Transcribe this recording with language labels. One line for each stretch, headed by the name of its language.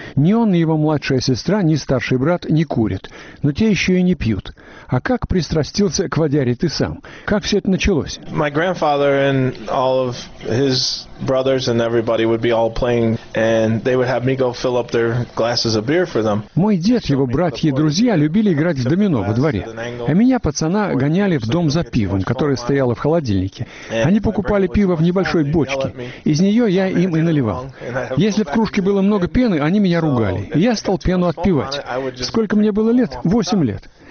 Russian: Ни он, ни его младшая сестра, ни старший брат не курят. Но те еще и не пьют. А как пристрастился к водяре ты сам? Как все это началось?»
English: «My grandfather and all of his brothers and everybody would be all playing, and they would have me go fill up their glasses of beer for them.
Russian: Мой дед, его братья и друзья любили играть в домино во дворе. А меня, пацана, гоняли в дом за пивом, которое стояло в холодильнике. Они покупали пиво в небольшой бочке. Из нее я им и наливал. Если в кружке было много пены, они меня ругали. И я стал пену отпивать. Сколько мне было лет? 8 лет.